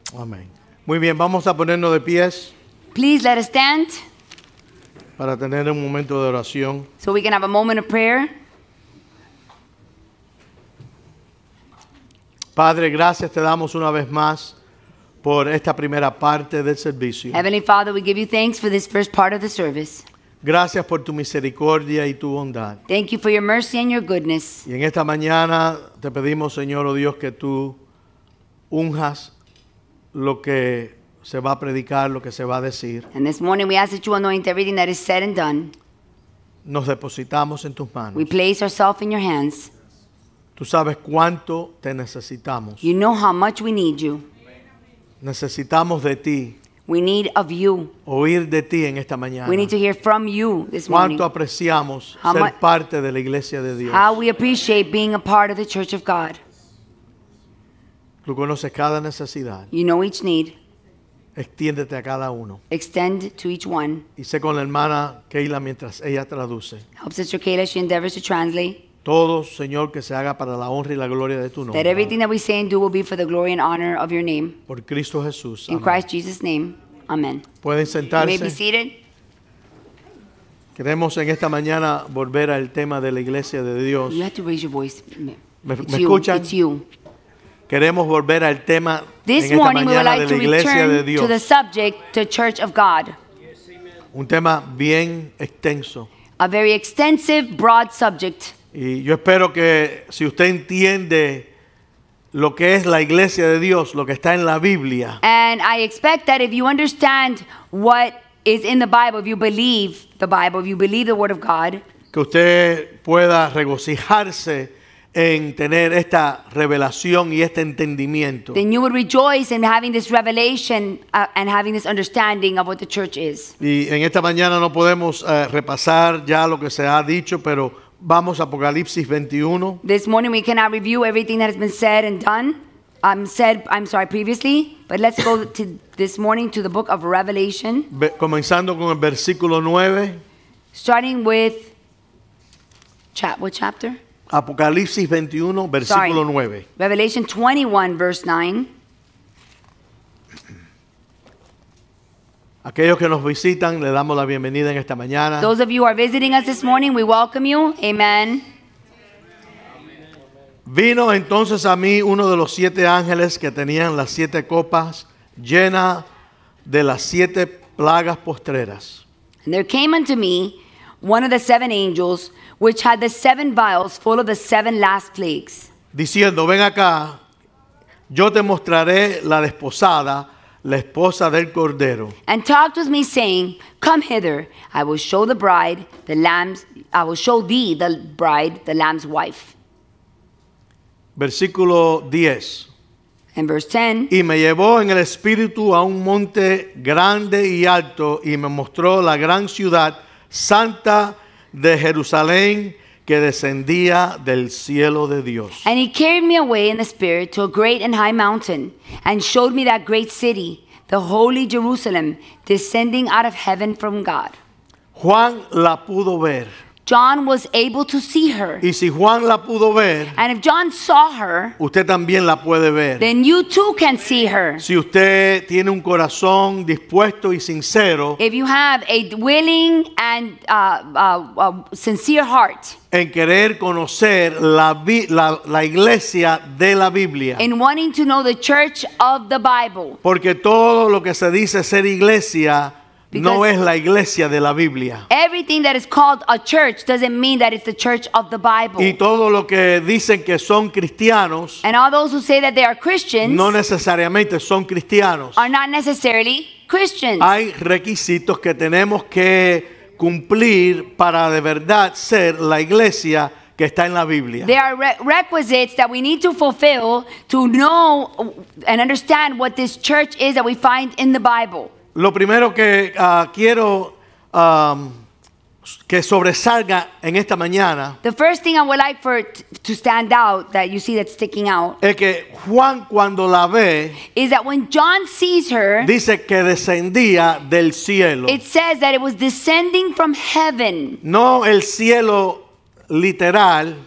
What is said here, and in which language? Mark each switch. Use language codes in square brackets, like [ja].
[es] Amén. Muy bien, vamos a ponernos de pies. [en] Please let us stand. [es] Para tener un momento de oración. [en] So we can have a moment of prayer. [es] Padre, gracias te damos una vez más por esta primera parte del servicio. [en] Heavenly Father, we give you thanks for this first part of the service. [es] Gracias por tu misericordia y tu bondad. [en] Thank you for your mercy and your goodness. [es] Y en esta mañana te pedimos, Señor, oh Dios, que tú unjas lo que se va a predicar, lo que se va a decir. [en] And this morning we ask that you anoint everything that is said and done. [es] Nos depositamos en tus manos. [en] We place ourselves in your hands. [es] Tú sabes cuánto te necesitamos. [en] You know how much we need you. [es] Necesitamos de ti. [en] We need of you. [es] Oír de ti en esta mañana. [en] We need to hear from you this [es] cuánto [en] morning. [es] Cuánto apreciamos how ser parte de la iglesia de Dios. [en] How we appreciate being a part of the church of God. [es] Tú conoces cada necesidad. [en] You know each need. [es] Extiéndete a cada uno. [en] Extend to each one. [es] Y sé con la hermana Keila mientras ella traduce. [en] Help Sister Keila, she endeavors to translate. [es] todos, Señor, que se haga para la honra y la gloria de tu nombre. [en] That everything that we say and do will be for the glory and honor of your name. [es] Por Cristo Jesús. [en] In Christ Jesus' name. Amen. [es] Pueden sentarse. [en] You may be seated. [es] Queremos en esta mañana volver al tema de la Iglesia de Dios. [en] You have to raise your voice. [es] ¿Me escuchan? [en] It's you. [es] Queremos volver al tema [en] this [es] en esta [en] morning, [es] mañana [en] we would like [es] de la Iglesia de Dios. [en] To the subject, the Church of God. [es] Un tema bien extenso. [en] A very extensive, broad subject. [es] Y yo espero que si usted entiende lo que es la Iglesia de Dios, lo que está en la Biblia. [en] And I expect that if you understand what is in the Bible, if you believe the Bible, if you believe the Word of God, [es] que usted pueda regocijarse en tener esta revelación y este entendimiento. [en] Then you would rejoice in having this revelation and having this understanding of what the church is. [es] Y en esta mañana no podemos repasar ya lo que se ha dicho, pero vamos a Apocalipsis 21. [en] This morning we cannot review everything that has been said and done. Previously, but let's go to this morning to the book of Revelation. [es] Comenzando con el versículo 9. [en] Starting with what chapter? [es] Apocalipsis 21, versículo 9. [en] Revelation 21, verse 9. [es] Aquellos que nos visitan, le damos la bienvenida en esta mañana. [en] Those of you who are visiting us this morning, we welcome you. Amen. [es] Vino entonces a mí uno de los siete ángeles que tenían las siete copas llena de las siete plagas postreras. [en] And there came unto me one of the seven angels which had the seven vials full of the seven last plagues. [es] Diciendo, ven acá, yo te mostraré la desposada, la esposa del Cordero. [en] And talked with me saying, come hither, I will show the bride, the lamb's, I will show thee the bride, the lamb's wife. [es] Versículo 10. [en] And verse 10. [es] Y me llevó en el espíritu a un monte grande y alto y me mostró la gran ciudad santa de Jerusalén que descendía del cielo de Dios. [en] And he carried me away in the spirit to a great and high mountain and showed me that great city, the holy Jerusalem, descending out of heaven from God. [es] Juan la pudo ver. [en] John was able to see her. [es] Y si Juan la pudo ver, [en] and if John saw her, [es] usted también la puede ver. [en] Then you too can see her. [es] Si usted tiene un corazón dispuesto y sincero, [en] if you have a willing and sincere heart, [es] en querer conocer la iglesia de la Biblia. [en] In wanting to know the church of the Bible. [es] Porque todo lo que se dice ser iglesia, because no es la iglesia de la Biblia. [en] Everything that is called a church doesn't mean that it's the church of the Bible. [es] Y todo lo que dicen que son cristianos, [en] and all those who say that they are Christians, [es] no necesariamente son cristianos. [en] Are not necessarily Christians. [es] Hay requisitos que tenemos que cumplir para de verdad ser la iglesia que está en la Biblia. [en] There are requisites that we need to fulfill to know and understand what this church is that we find in the Bible. [es] Lo primero que quiero que sobresalga en esta mañana. [en] The first thing I would like for to stand out that you see that's sticking out. [es] Es que Juan cuando la ve. [en] Is that when John sees her. [es] Dice que descendía del cielo. [en] It says that it was descending from heaven. [es] No el cielo literal.